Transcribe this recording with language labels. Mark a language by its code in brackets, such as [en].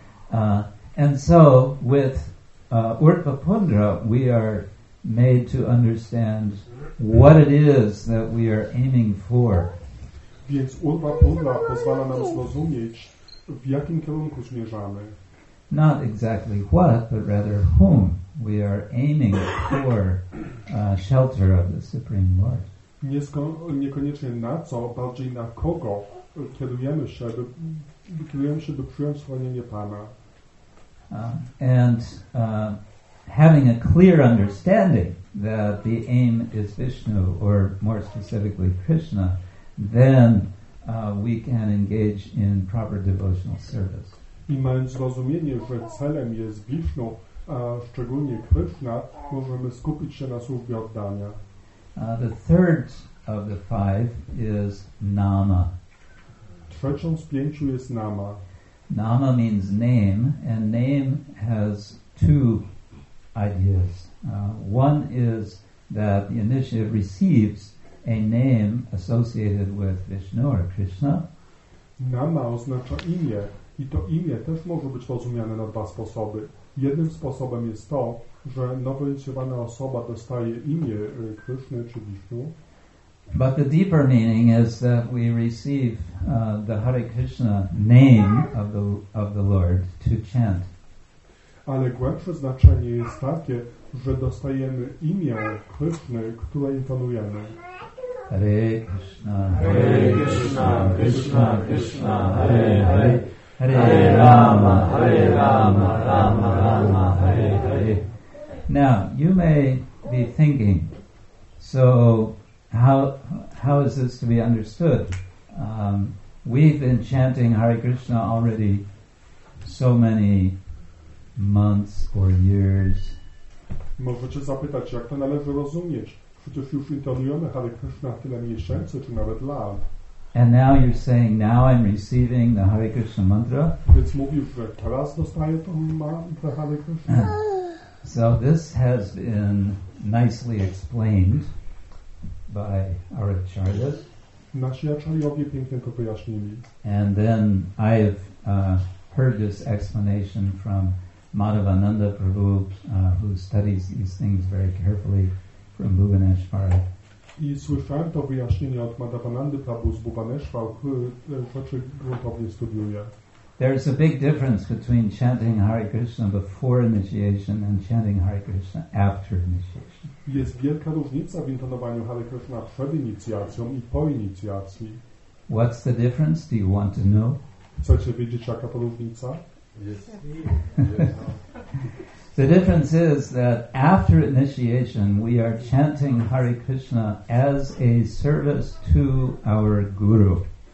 [en] And so with Urdhvapundra we are made to understand what it is that we are aiming for. [pl] Więc Urdhvapundra pozwala nam zrozumieć, w jakim kierunku zmierzamy. [en] Not exactly what, but rather whom we are aiming for shelter of the Supreme Lord. [pl] Niekoniecznie na co, bardziej na kogo kierujemy się, by przyjąć schronienie Pana. [en] Having a clear understanding that the aim is Vishnu, or more specifically Krishna, then we can engage in proper devotional service. [pl] I mając zrozumienie, że celem jest Vishnu, a szczególnie Krishna, możemy skupić się na służbie oddania. [en] The third of the five is Nama. [pl] Trzecią z pięciu jest Nama. [en] Nama means name, and name has two ideas. One is that the initiate receives a name associated with Vishnu or Krishna. [pl] Nama oznacza imię i to imię też może być rozumiane na dwa sposoby. Jednym sposobem jest to, że nowo inicjowana osoba dostaje imię Krishna czy Vishnu. [en] But the deeper meaning is that we receive the Hare Krishna name of the Lord to chant. [pl] Ale głębsze znaczenie jest takie, że dostajemy imię Krishny, które intonujemy. [sa] Hare Krishna, Hare Krishna, Krishna Krishna, Hare Hare, Hare Rama, Rama Rama, Hare Hare. [en] Now, you may be thinking, so how is this to be understood? We've been chanting Hare Krishna already so many months or years. [pl] Możecie zapytać, jak to należy rozumieć? Przecież już intonujemy Hare Krishna tyle miesięcy, czy nawet lat. [en] And now you're saying, now I'm receiving the Hare Krishna mantra? [pl] Więc mówisz, że teraz dostaję to mantra Hare Krishna? [en] So this has been nicely explained by our acharyas. [pl] Nasi acharyowie pięknie to wyjaśnili. [en] And then I have heard this explanation from Madhavananda Prabhu, who studies these things very carefully from Bhuvaneshwar. [pl] I słyszałem to wyjaśnienie od Madhavananda Prabhu z Bhuvaneshwar, który rzeczy gruntownie studiuje. [en] There is a big difference between chanting Hare Krishna before initiation and chanting Hare Krishna after initiation. [pl] Jest wielka różnica w intonowaniu Hare Krishna przed inicjacją i po inicjacji. [en] What's the difference? Do you want to know? [pl] Chcecie wiedzieć, jaka to różnica? [en] Yes. The difference is that after initiation we are chanting Hare Krishna as a service to our guru.